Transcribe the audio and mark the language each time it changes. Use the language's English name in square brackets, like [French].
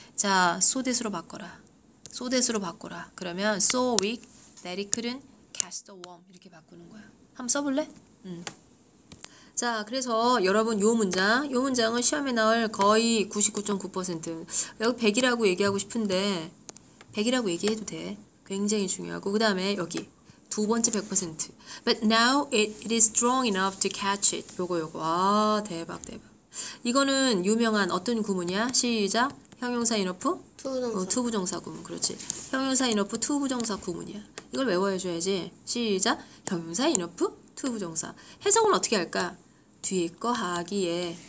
[Korean] 자, 소대수로 바꿔라. 소대수로 바꿔라. 그러면 [English] so weak that it couldn't catch the worm [Korean] 이렇게 바꾸는 거야. 한번 써볼래? 자, 그래서 여러분 요 문장, 요 문장은 시험에 나올 거의 99.9%. 여기 100이라고 얘기하고 싶은데 100이라고 얘기해도 돼. 굉장히 중요하고. 그 다음에 여기 두 번째 100%. [English] But now it is strong enough to catch it. [Korean] 요거. 아, 대박 대박. 이거는 유명한 어떤 구문이야? 시작. 형용사 enough? 투부정사 구문. 그렇지. 형용사 enough 투부정사 구문이야. 이걸 외워줘야지. 시작. 형용사 enough? 투부정사. 해석은 어떻게 할까? 뒤에 거 하기에